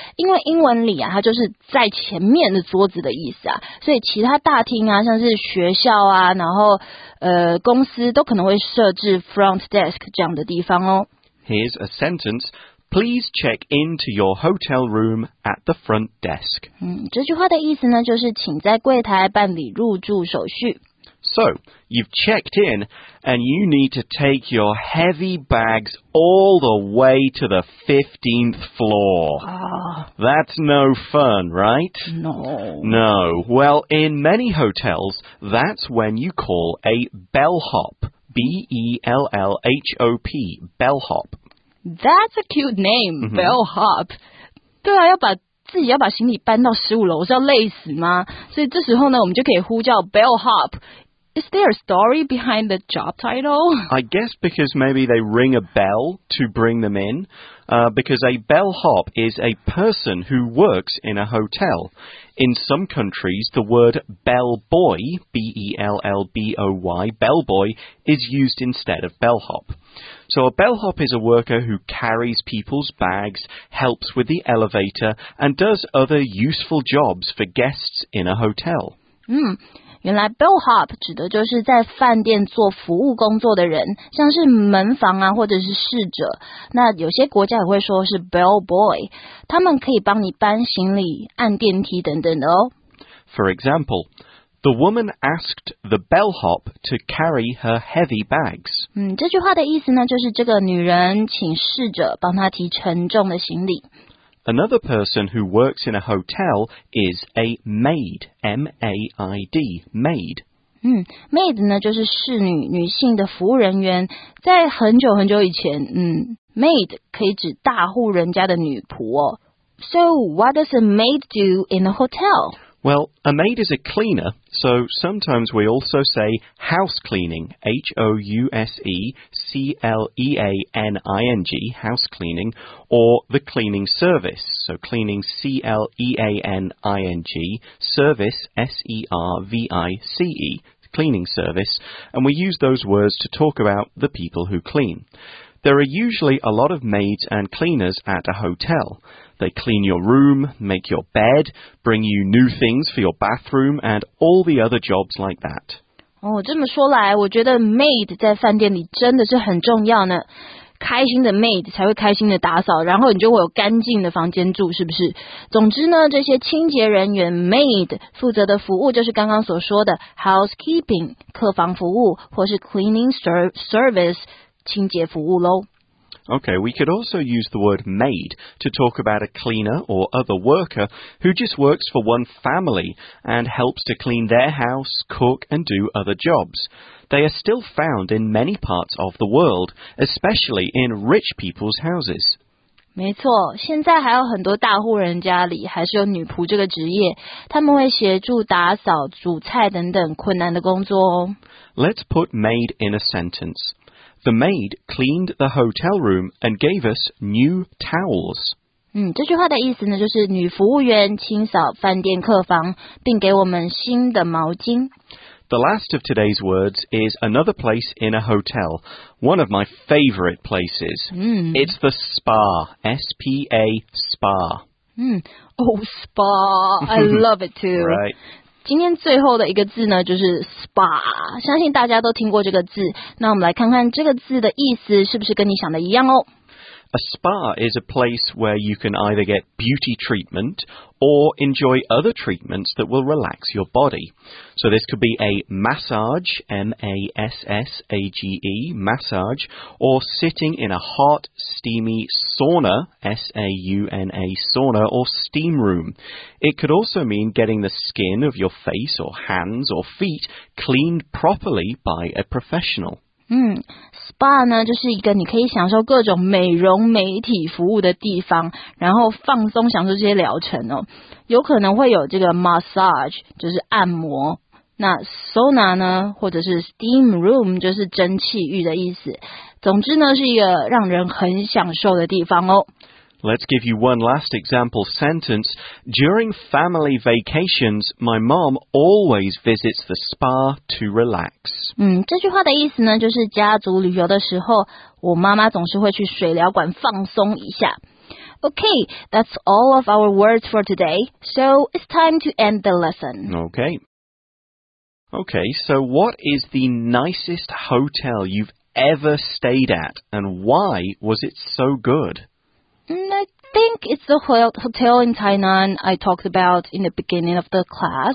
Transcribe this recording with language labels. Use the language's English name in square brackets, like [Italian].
[Chinese] 因为英文里啊，它就是在前面的桌子的意思啊，所以其他大厅啊，像是学校啊，然后公司都可能会设置 front desk 这样的地方哦。 [English] Here's a sentence. Please check into your hotel room at the front desk. [Chinese] 嗯，这句话的意思呢，就是请在柜台办理入住手续。 [English] So, you've checked in, and you need to take your heavy bags all the way to the 15th floor. That's no fun, right? No. No. Well, in many hotels, that's when you call a bellhop. B-E-L-L-H-O-P, bellhop. That's a cute name, bellhop. Mm-hmm. [Chinese] 对啊，要把自己要把行李搬到十五楼，是要累死吗？所以这时候呢，我们就可以呼叫 bellhop. [English] Is there a story behind the job title? I guess because maybe they ring a bell to bring them in. Because a bellhop is a person who works in a hotel. In some countries, the word bellboy, B-E-L-L-B-O-Y, bellboy, is used instead of bellhop. So a bellhop is a worker who carries people's bags, helps with the elevator, and does other useful jobs for guests in a hotel. [Chinese] 嗯，原来 bellhop 指的就是在饭店做服务工作的人，像是门房啊，或者是侍者。那有些国家也会说是 bellboy， 他们可以帮你搬行李、按电梯等等的哦。 [English] For example. The woman asked the bellhop to carry her heavy bags. [Chinese] 嗯，这句话的意思呢，就是这个女人请侍者帮她提沉重的行李。 [English] Another person who works in a hotel is a maid, M-A-I-D, maid. [Chinese] 嗯 ，maid 呢就是侍女，女性的服务人员。在很久很久以前，嗯 ，maid 可以指大户人家的女仆哦。 [English] So what does a maid do in a hotel? Well, a maid is a cleaner, so sometimes we also say house cleaning, H-O-U-S-E-C-L-E-A-N-I-N-G, house cleaning, or the cleaning service, so cleaning C-L-E-A-N-I-N-G, service, S-E-R-V-I-C-E, cleaning service, and we use those words to talk about the people who clean. There are usually a lot of maids and cleaners at a hotel. They clean your room, make your bed, bring you new things for your bathroom, and all the other jobs like that. [Chinese] 哦，这么说来，我觉得 maid 在饭店里真的是很重要呢。开心的妹子才会开心的打扫，然后你就会有干净的房间住，是不是？总之呢，这些清洁人员 maid 负责的服务就是刚刚所说的 housekeeping 客房服务，或是 cleaning service 清洁服务咯。 [English] Okay, we could also use the word maid to talk about a cleaner or other worker who just works for one family and helps to clean their house, cook, and do other jobs. They are still found in many parts of the world, especially in rich people's houses. [Chinese] 没错，现在还有很多大户人家里还是有女仆这个职业，他们会协助打扫、煮菜等等困难的工作哦。 [English] Let's put maid in a sentence. The maid cleaned the hotel room and gave us new towels. [Chinese] 这句话的意思呢，就是女服务员清扫饭店客房，并给我们新的毛巾。 [English] The last of today's words is another place in a hotel, one of my favorite places. It's the spa, S-P-A, spa. Spa, I love it too. Right. [Chinese] 今天最后的一个字呢，就是 spa， 相信大家都听过这个字，那我们来看看这个字的意思是不是跟你想的一样哦。 [English] A spa is a place where you can either get beauty treatment or enjoy other treatments that will relax your body. So this could be a massage, M-A-S-S-A-G-E, massage, or sitting in a hot, steamy sauna, S-A-U-N-A, sauna, or steam room. It could also mean getting the skin of your face or hands or feet cleaned properly by a professional. [Chinese] SPA 呢就是一个你可以享受各种美容美体服务的地方，然后放松享受这些疗程哦。有可能会有这个 massage， 就是按摩。那 sauna 呢，或者是 steam room， 就是蒸汽浴的意思。总之呢，是一个让人很享受的地方哦。 [English] Let's give you one last example sentence. During family vacations, my mom always visits the spa to relax. [Chinese] 这句话的意思呢，就是家族旅游的时候，我妈妈总是会去水疗馆放松一下。 [English] Okay, that's all of our words for today. So it's time to end the lesson. Okay, so what is the nicest hotel you've ever stayed at, and why was it so good? I think it's the hotel in Tainan I talked about in the beginning of the class.